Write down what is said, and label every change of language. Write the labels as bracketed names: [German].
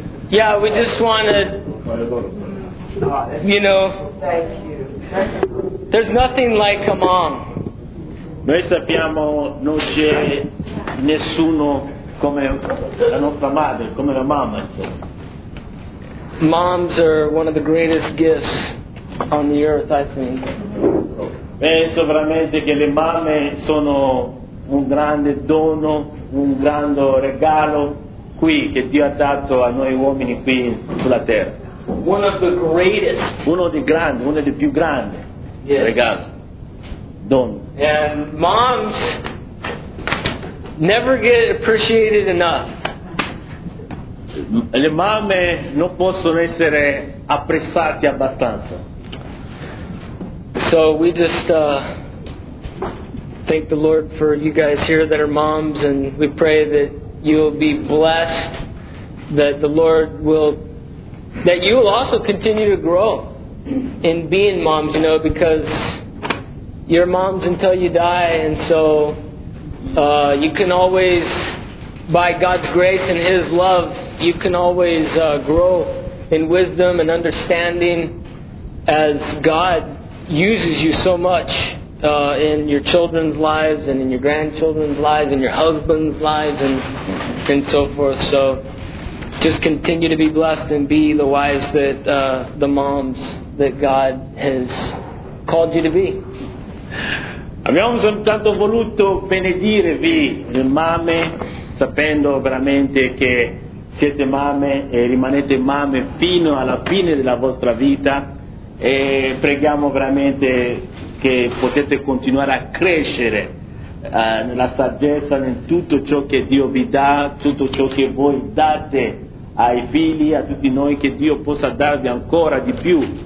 [English] Yeah, we just wanted, you know, there's nothing like a mom. [Italian] Noi sappiamo non c'è nessuno come la nostra madre, come la mamma. [English] Moms are one of the greatest gifts on the earth, I think. [Italian] Penso veramente che le mamme sono un grande dono, un grande regalo qui che Dio ha dato a noi uomini qui sulla terra. [English] One of the greatest. [Italian] Uno dei più grandi regali, dono. [English] And moms never get appreciated enough. [Italian] Le mamme non possono essere apprezzate abbastanza. [English] So we just thank the Lord for you guys here that are moms, and we pray that you will be blessed, that the Lord will, that you will also continue to grow in being moms, you know, because you're moms until you die, and so you can always, by God's grace and His love, you can always grow in wisdom and understanding as God uses you so much in your children's lives and in your grandchildren's lives and your husband's lives and so forth. So just continue to be blessed and be the wives that the moms that God has called you to be. [Italian] Abbiamo soltanto voluto benedirevi, le mamme, sapendo veramente che siete mamme e rimanete mamme fino alla fine della vostra vita, e preghiamo veramente che potete continuare a crescere nella saggezza, in tutto ciò che Dio vi dà, tutto ciò che voi date ai figli, a tutti noi, che Dio possa darvi ancora di più